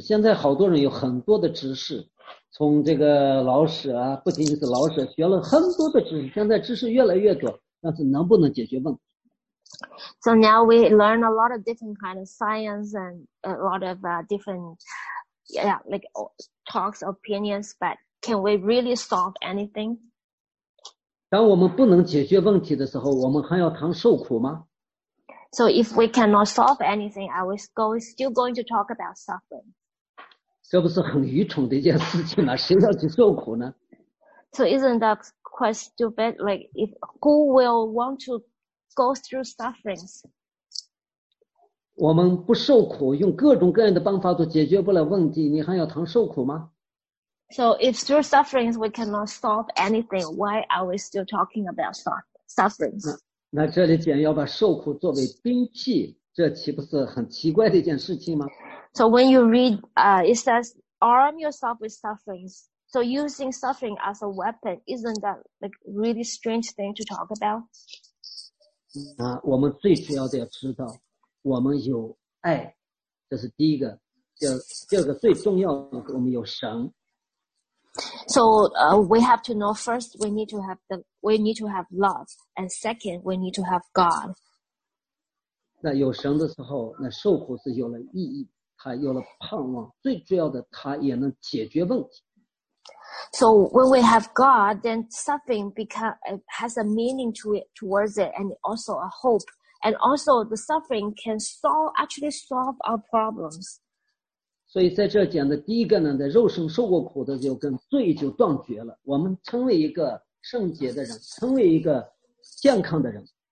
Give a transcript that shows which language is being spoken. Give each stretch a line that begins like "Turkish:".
Chinese: 现在好多人有很多的知识，从这个老舍啊，不仅仅是老舍，学了很多的知识。现在知识越来越多，但是能不能解决问题？
English: So now we learn a lot of different kinds of science and a lot of different, yeah, like talks, opinions, but can we really solve anything?
Chinese: 当我们不能解决问题的时候，我们还要谈受苦吗？
English: So if we cannot solve anything, are we still going to talk about suffering?
Chinese: 这不是很愚蠢的一件事情吗？谁要去受苦呢？
English: So isn't that quite stupid? Like, if who will want to go through sufferings?
Chinese: 我们不受苦，用各种各样的方法都解决不了问题，你还要谈受苦吗？
English: So if through sufferings we cannot solve anything, why are we still talking about sufferings?
Chinese: 那这里简要把受苦作为兵器，这岂不是很奇怪的一件事情吗？
English: So when you read, it says, arm yourself with sufferings. So using suffering as a weapon, isn't that like really strange thing to talk about?
Chinese: 啊，我们最主要的要知道，我们有爱，这是第一个。第二个最重要的，我们有神。
English: So we have to know first we need to have love, and second we need to have God.
Chinese: 那有神的时候，那受苦是有了意义，他有了盼望，最主要的他也能解决问题。
English: So when we have God, then suffering has a meaning towards it, and also a hope, and also the suffering can actually solve our problems.
Chinese: 所以在这讲的第一个呢，在肉身受过苦的就跟罪就断绝了，我们成为一个圣洁的人，成为一个健康的人。